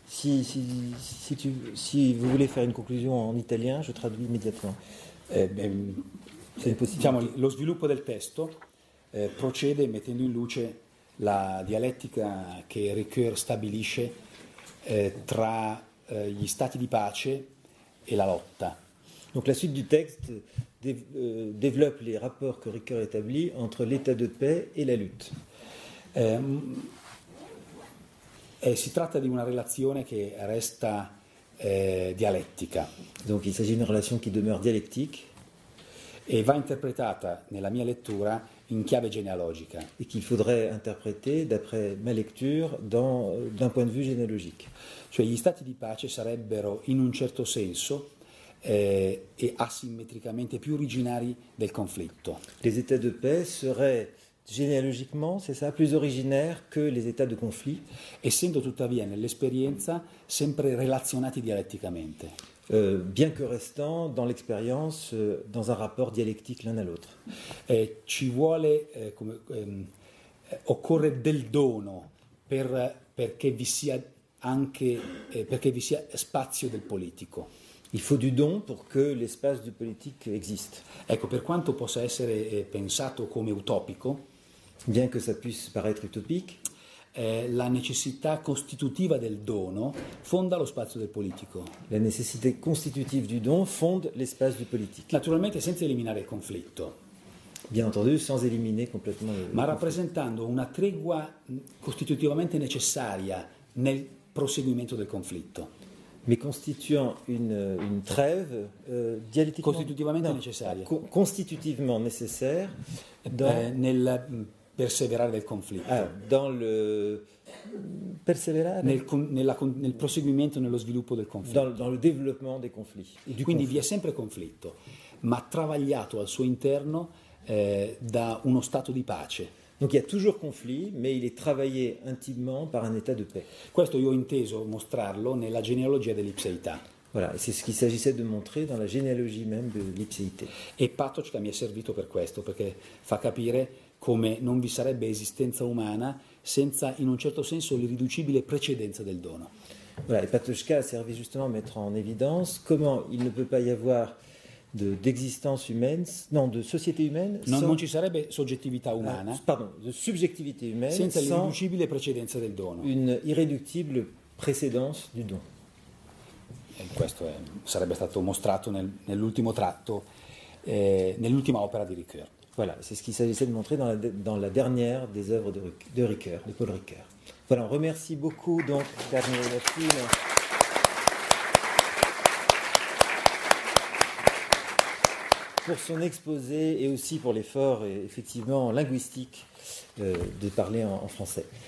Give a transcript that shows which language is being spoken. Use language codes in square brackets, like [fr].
[fr] Si vous voulez faire une conclusion en italien, je traduis immédiatement. C'est possible. [it] Diciamo, lo sviluppo del testo procede mettendo in luce la dialettica che Ricoeur stabilisce tra gli stati di pace e la lotta. [fr] Donc la suite du texte développe les rapports que Ricoeur établit entre l'état de paix et la lutte. [it] Si tratta di una relazione che resta dialettica. [fr] Donc il s'agit d'une relation qui demeure dialectique. [it] Et va interprétata nella mia lettura in chiave genealogica. [fr] Et qu'il faudrait interpréter d'après ma lecture dans, d'un point de vue généalogique. [it] Cioè gli stati di pace sarebbero in un certo senso e asimmetricamente più originari del conflitto. [fr] Les états de paix seraient généalogiquement, c'est ça, plus originaire que les états de conflit. [it] Essendo tuttavia nell'esperienza sempre relazionati dialetticamente. [fr] Bien que restant dans l'expérience, dans un rapport dialectique l'un à l'autre. [it] Ci vuole, come, occorre del dono perché vi sia anche, perché vi sia spazio del politico. [fr] Il faut du don pour que l'espace du politique existe. [it] Ecco, per quanto possa essere pensato come utopico, [fr] bien que ça puisse paraître utopique, [it] la necessità costitutiva del dono fonda lo spazio del politico. La necessità costitutiva [fr] du don fonde l'espace du politique. Naturalmente senza eliminare il conflitto. Bien entendu, sans éliminer complètement le conflit. [it] Ma rappresentando una tregua costitutivamente necessaria nel proseguimento del conflitto. [fr] Mais constituant une trêve dialettiquement [it] costitutivamente necessaria. [fr] Constitutivement nécessaire [it] nel perseverare del conflitto. [fr] Ah, dans le perseverare [it] nel proseguimento nello sviluppo del conflitto. [fr] Dans le développement des conflits. [it] Quindi conflitto. Vi è sempre conflitto, ma travagliato al suo interno da uno stato di pace. [fr] Donc il y a toujours conflit, mais il est travaillé intimement par un état de paix. [it] Questo io ho inteso mostrarlo nella genealogia dell'ipseità. [fr] Voilà, c'est ce qu'il s'agissait de montrer dans la généalogie même de l'ipseità. [it] E Patočka mi è servito per questo, perché fa capire come non vi sarebbe esistenza umana senza, in un certo senso, l'irriducibile precedenza del dono. [fr] Voilà, et Patočka a servi justement à mettre en évidence comment il ne peut pas y avoir d'existence humaine, non, de société humaine. [it] Non, sans, non ci sarebbe soggettività umana. [fr] Pardon, de subjectivité humaine [it] senza l'irriducibile precedenza del dono. [fr] Une irréductible précédence du don. [it] E questo è, sarebbe stato mostrato nell'ultimo tratto, nell'ultima opera di Ricoeur. [fr] Voilà, c'est ce qu'il s'agissait de montrer dans la dernière des œuvres de Ricoeur, de Paul Ricoeur. Voilà, on remercie beaucoup donc Daniel Lafil. Pour son exposé et aussi pour l'effort effectivement linguistique de parler en français.